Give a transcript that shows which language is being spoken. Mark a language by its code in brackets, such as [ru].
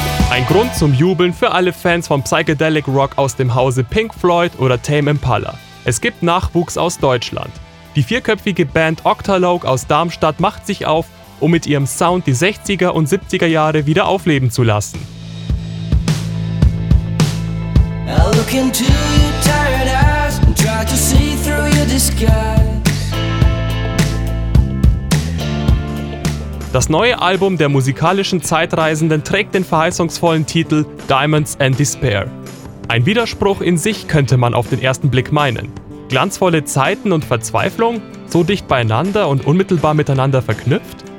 [de] Ein Grund zum Jubeln für alle Fans von Psychedelic Rock aus dem Hause Pink Floyd oder Tame Impala. Es gibt Nachwuchs aus Deutschland. Die vierköpfige Band Octalogue aus Darmstadt macht sich auf, um mit ihrem Sound die 60er und 70er Jahre wieder aufleben zu lassen. [en] I look into your tired eyes and try to see through your disguise. [de] Das neue Album der musikalischen Zeitreisenden trägt den verheißungsvollen Titel Diamonds and Despair. Ein Widerspruch in sich könnte man auf den ersten Blick meinen. Glanzvolle Zeiten und Verzweiflung, so dicht beieinander und unmittelbar miteinander verknüpft?